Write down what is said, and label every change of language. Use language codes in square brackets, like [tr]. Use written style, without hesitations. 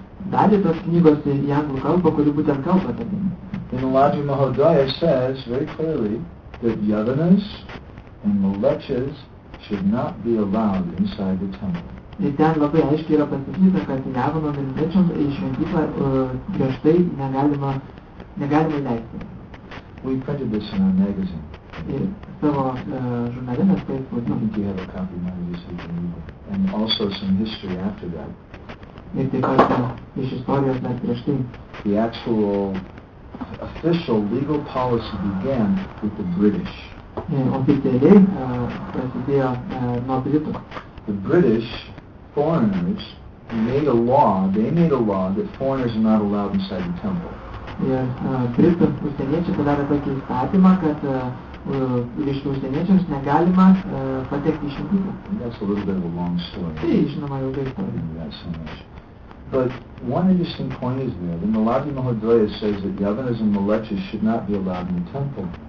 [lt] Dalį tos knygos į anglų kalbą, kuri būtent kalba apie tai. [en] In the Niladri Mahodaya says very clearly that yavanas and malechas should not be allowed inside the temple. [lt] Ir ten labai aiškiai yra pasakyta, kad yavanom ir malechom į šventyklą griežtai negalima leisti. [en] We printed this in our magazine. [lt] Savo žurnale mes tai spausdinome. [en] I think you have a copy of this evening. And also some history after that. [lt] Ir taip pat iš istorijos net prieš tai. [en] The actual official legal policy began with the British. [lt] Oficialiai prasidėjo nuo Britų. [en] The British foreigners made a law, they made a law that foreigners are not allowed inside the temple. [lt] Ir Britų užsieniečiai padarė tokį įstatymą, kad iš užsieniečiams negalima patekti į šimtyklą. [en] That's a little bit of a long story. [lt] Tai žinoma ilga istorija. [en] But one interesting point is there. The Niladri Mahodaya says that yavanas and malechas should not be allowed in the temple.